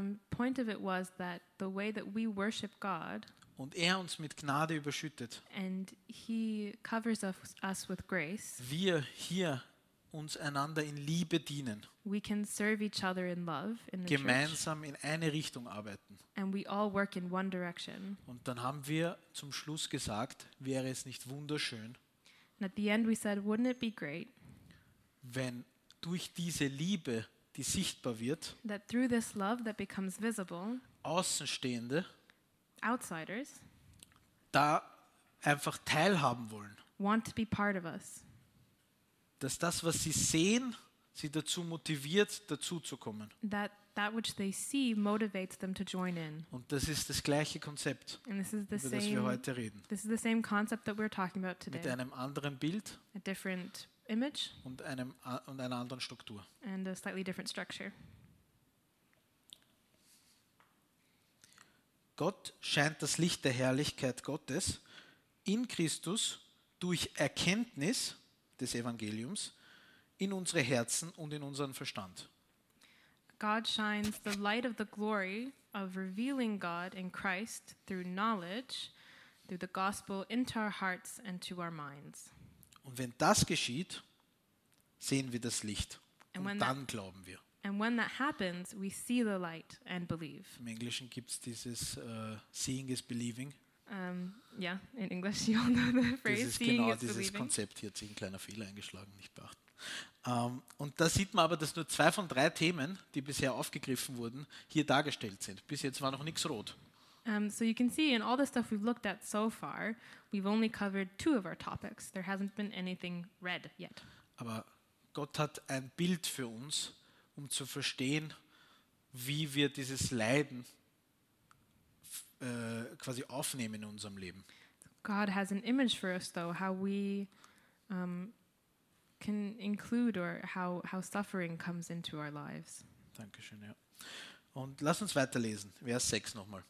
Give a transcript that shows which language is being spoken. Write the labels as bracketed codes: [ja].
[en] Point of it was that the way that we worship God, [de] und er uns mit Gnade überschüttet, [en] and he covers us with grace, [de] wir hier uns einander in Liebe dienen, [en] we can serve each other in love, in the [de] gemeinsam [en] church, [de] in eine Richtung arbeiten, [en] and we all work in one direction. [de] Und dann haben wir zum Schluss gesagt, wäre es nicht wunderschön, [en] and at the end we said, wouldn't it be great, [de] wenn durch diese Liebe, die sichtbar wird, [en] that through this love that becomes visible, [de] Außenstehende, [en] outsiders, [de] da einfach teilhaben wollen, [en] want to be part of us, [de] dass das, was sie sehen, sie dazu motiviert, dazuzukommen, [en] that which they see motivates them to join in. [de] Und das ist das gleiche Konzept, über das wir heute reden. [en] This is the same concept that we're talking about today. [de] Mit einem anderen Bild, [en] a different image, [de] und einer anderen Struktur. [en] And a slightly different structure. [de] Gott scheint das Licht der Herrlichkeit Gottes in Christus durch Erkenntnis des Evangeliums in unsere Herzen und in unseren Verstand. [en] God shines the light of the glory of revealing God in Christ through knowledge, through the gospel into our hearts and to our minds. [de] Und wenn das geschieht, sehen wir das Licht und dann glauben wir. [en] And when that happens, we see the light and believe. [de] Im Englischen gibt es dieses [en] seeing is believing. Yeah, in English you all know the phrase seeing is believing. [de] Das ist genau dieses Konzept, hier hat sich ein kleiner Fehler eingeschlagen, nicht beachten. Und da sieht man aber, dass nur 2 von 3 Themen, die bisher aufgegriffen wurden, hier dargestellt sind. Bis jetzt war noch nichts rot. [en] So you can see in all the stuff we've looked at so far, we've only covered 2 of our topics. There hasn't been anything red yet. [de] Aber Gott hat ein Bild für uns, um zu verstehen, wie wir dieses Leiden quasi aufnehmen in unserem Leben. [en] God has an image for us though, how we can include or how suffering comes into our lives. [de] Dankeschön, ja. Und lass uns weiterlesen, Vers 6 nochmal.